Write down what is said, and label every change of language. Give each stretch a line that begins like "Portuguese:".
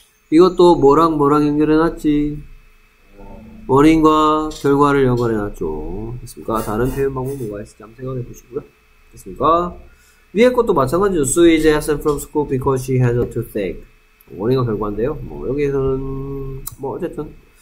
Korean: 이것도 뭐랑 뭐랑 연결해놨지? 원인과 결과를 연관해놨죠. 됐습니까? 다른 표현 방법 뭐가 있을지 한번 생각해 보시고요. 됐습니까? 위에 것도 마찬가지죠.
English: Sue is absent from school because she has a toothache.
Korean: 원인과 결과인데요. 뭐, 여기에서는, 뭐, 어쨌든.